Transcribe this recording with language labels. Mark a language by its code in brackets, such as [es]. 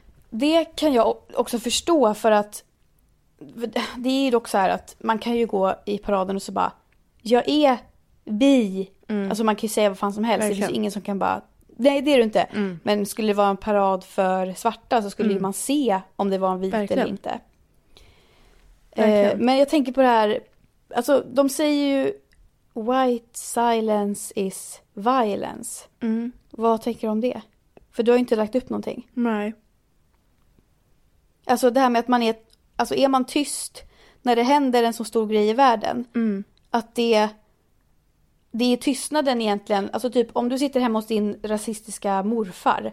[sv] Det kan jag också förstå för att... Det är ju dock så här att man kan ju gå i paraden och så bara... Jag är bi. Mm. Alltså man kan ju säga vad fan som helst. Verkligen. Det finns ingen som kan bara... Nej, det är du inte. Mm. Men skulle det vara en parad för svarta så skulle man se om det var en vit verkligen. Eller inte. Men jag tänker på det här... Alltså, de säger ju... [en] White silence is violence. Mm. [sv] Vad tänker du om det? För du har ju inte lagt upp någonting. Nej. Alltså det här med att man är... Alltså är man tyst när det händer en så stor grej i världen? Mm. Att det... Det är tystnaden egentligen. Alltså typ om du sitter hemma hos din rasistiska morfar.